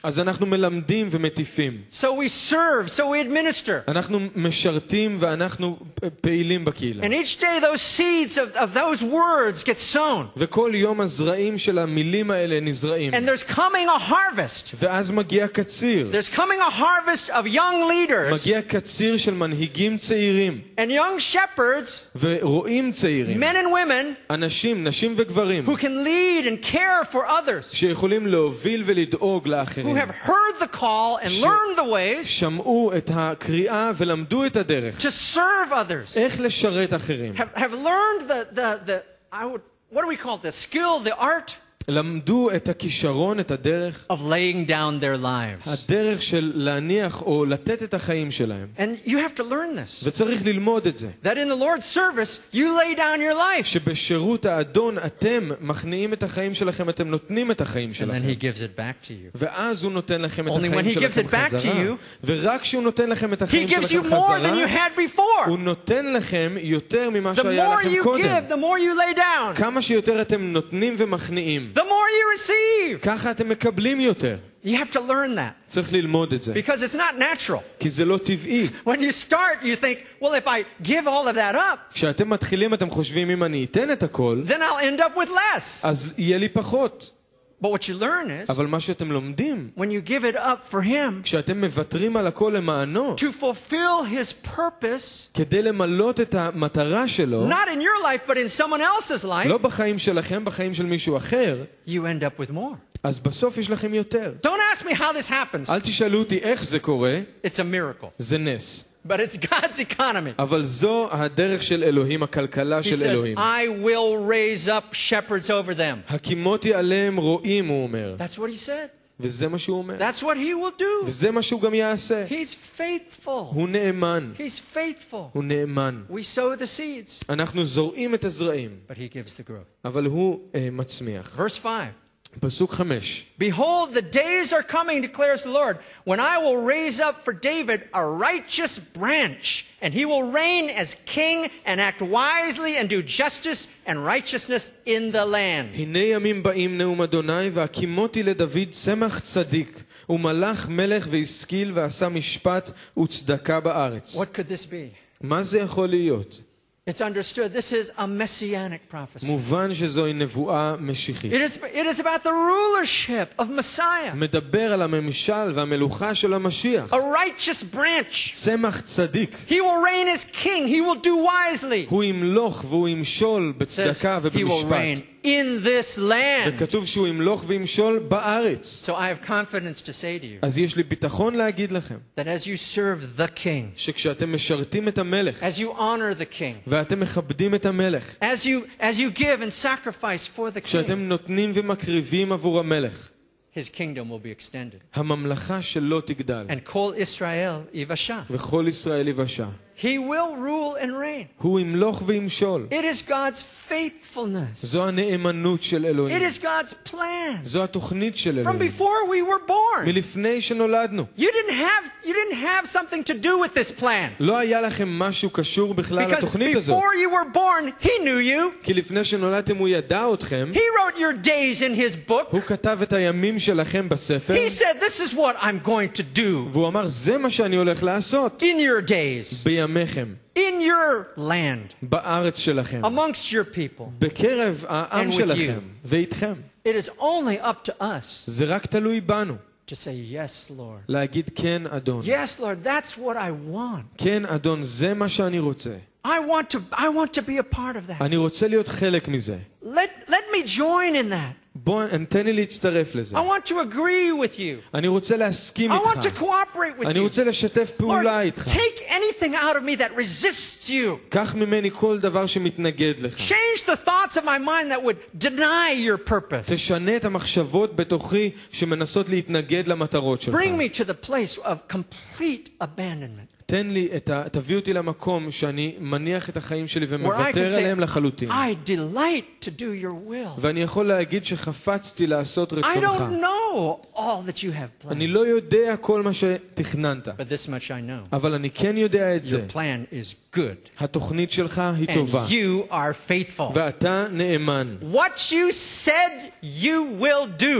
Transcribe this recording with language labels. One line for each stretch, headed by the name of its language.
Hebrew: אז אנחנו מלמדים ומטיפים.
English: So we serve, so we administer.
Hebrew: אנחנו משרתים ואנחנו פעילים בקהילה.
English: And each day those seeds of those words get sown.
Hebrew: וכל יום הזרעים של המילים האלה נזרעים.
English: And there's coming a harvest.
Hebrew: ואז מגיע קציר.
English: There's coming a harvest of young leaders.
Hebrew: מגיע קציר של מנהיגים צעירים.
English: And young shepherds.
Hebrew: ורועים צעירים.
English: Men and women.
Hebrew: אנשים, נשים וגברים.
English: Who can lead and care for others
Hebrew: שיכולים להוביל ולדאוג לאחרים
English: who have heard the call and learned the ways
Hebrew: שמעו את הקריאה ולמדו את הדרך
English: to serve others
Hebrew: איך לשרת אחרים
English: have learned what do we call this skill the art
Hebrew: למדו את הכישרון את הדרך
English: of laying down their lives
Hebrew: הדרך של להניח או לתת את החיים שלהם
English: and you have to learn this
Hebrew: וצריך ללמוד את זה
English: that in the Lord's service you lay down your life
Hebrew: שבשירות האדון אתם מכניעים את החיים שלכם אתם נותנים את החיים שלכם
English: and then he gives it back to you
Hebrew: ואז הוא נותן לכם את
English: only
Hebrew: החיים
English: when he
Hebrew: שלכם
English: gives it back
Hebrew: חזרה
English: to you,
Hebrew: ורק כשהוא נותן לכם את החיים
English: he gives
Hebrew: שלכם
English: you more
Hebrew: חזרה
English: than you had before.
Hebrew: הוא נותן לכם יותר ממה the שהיה
English: more
Hebrew: לכם
English: you
Hebrew: קודם
English: give, the more you lay down.
Hebrew: כמה שיותר אתם נותנים ומכניעים
English: The more you receive.
Hebrew: ככה אתם מקבלים יותר.
English: You have to learn that.
Hebrew: צריך ללמוד את זה.
English: Because it's not natural.
Hebrew: כי זה לא טבעי.
English: When you start, you think, well, if I give all of that up,
Hebrew: כשאתם מתחילים, אתם חושבים, אם אני אתן את הכל,
English: then I'll end up with less.
Hebrew: אז יהיה לי פחות.
English: But what you learn is,
Hebrew: אבל מה שאתם לומדים,
English: when you give it up for him,
Hebrew: כשאתם מבטרים על הכל למענו,
English: to fulfill his purpose,
Hebrew: כדי למלות את המטרה שלו,
English: not in your life, but in someone else's life,
Hebrew: לא בחיים שלכם, בחיים של מישהו אחר,
English: you end up with more.
Hebrew: אז בסוף יש לכם יותר.
English: Don't ask me how this happens.
Hebrew: אל תשאלו אותי איך זה קורה.
English: It's a miracle.
Hebrew: זה נס.
English: But it's God's economy.
Hebrew: אבל זו הדרך של אלוהים, הכלכלה של אלוהים.
English: He says, I will raise up shepherds over them.
Hebrew: הקימותי עליהם רועים, הוא אומר.
English: That's what he said.
Hebrew: וזה מה שהוא אומר.
English: That's what he will do.
Hebrew: וזה מה שהוא גם יעשה.
English: He's faithful.
Hebrew: הוא נאמן.
English: He's faithful.
Hebrew: הוא נאמן.
English: We sow the seeds.
Hebrew: אנחנו זורעים את הזרעים.
English: But he gives the growth.
Hebrew: אבל הוא מצמיח.
English: Verse 5.
Hebrew: פסוק 5
English: Behold the days are coming declares the Lord when I will raise up for David a righteous branch and he will reign as king and act wisely and do justice and righteousness in the land
Hebrew: הנה ימים באים נאום אדוני והקימותי לדוד צמח צדיק ומלך מלך והשכיל ועשה משפט וצדקה בארץ
English: What could this be?
Hebrew: מה זה יכול להיות?
English: It's understood this is a messianic prophecy.
Hebrew: מובן שזו נבואה משיחית.
English: It is about the rulership of Messiah.
Hebrew: מדבר על הממשל והמלוכה של המשיח.
English: A righteous branch.
Hebrew: צמח צדיק.
English: He will reign as king. He will do wisely.
Hebrew: הוא ימלוך והוא ימשול בצדקה ובמשפט.
English: He will reign in this land.
Hebrew: וכתוב שהוא ימלוך וימשול בארץ.
English: So I have confidence to say to you.
Hebrew: אז יש לי ביטחון להגיד לכם.
English: That as you serve the king.
Hebrew: שכשאתם משרתים את המלך.
English: As you honor the king.
Hebrew: ואתם מכבדים את המלך.
English: As you give and sacrifice for the king.
Hebrew: כשאתם נותנים ומקריבים עבור המלך.
English: His kingdom will be extended.
Hebrew: הממלכה שלו תגדל.
English: And call Israel Ivasha.
Hebrew: וכל ישראל יבשה.
English: He will rule and reign.
Hebrew: הוא ימלוך וימשול.
English: It is God's faithfulness.
Hebrew: זו הנאמנות של אלוהים.
English: It is God's plan.
Hebrew: זו התוכנית של אלוהים.
English: From before we were born.
Hebrew: מלפני שנולדנו.
English: You didn't have something to do with this plan.
Hebrew: לא היה לכם משהו קשור בכלל לתוכנית הזאת.
English: Because before you were born, he knew you.
Hebrew: כי לפני שנולדתם הוא ידע אתכם.
English: He wrote your days in his book.
Hebrew: הוא כתב את הימים שלכם בספר.
English: He said this is what I'm going to do.
Hebrew: והוא אמר זה מה שאני הולך לעשות.
English: In your days. In your land,
Hebrew: בארץ שלכם,
English: amongst your people,
Hebrew: בקרב העם שלכם, ואיתכם.
English: It is only up to us.
Hebrew: זה רק תלוי בנו.
English: To say yes, Lord.
Hebrew: להגיד כן, אדון.
English: Yes, Lord. That's what I want.
Hebrew: כן, אדון. זה מה שאני רוצה.
English: I want to be a part of that.
Hebrew: אני רוצה להיות חלק מזה.
English: Let me join in that. I want to agree with you.
Hebrew: אני רוצה להסכים איתך.
English: I want to cooperate with you.
Hebrew: אני רוצה לשתף פעולה איתך.
English: Take anything out of me that resists you.
Hebrew: קח ממני כל דבר שמתנגד לך.
English: Change the thoughts of my mind that would deny your purpose.
Hebrew: תשנה את המחשבות בתוכי שמנסות להתנגד למטרות שלך.
English: Bring me to the place of complete abandonment.
Hebrew: תן לי את תביא אותי למקום שאני מניח את החיים שלי ומוותר עליהם לחלוטין.
English: I delight to do your will.
Hebrew: ואני יכול להגיד שחפצתי לעשות רצונך.
English: I don't know all that you have planned.
Hebrew: אני לא יודע כל מה שתכננת.
English: But this much I know.
Hebrew: אבל אני כן יודע את זה.
English: Your plan is good.
Hebrew: התוכנית שלך היא טובה.
English: And you are faithful.
Hebrew: ואתה נאמן.
English: What you said you will do.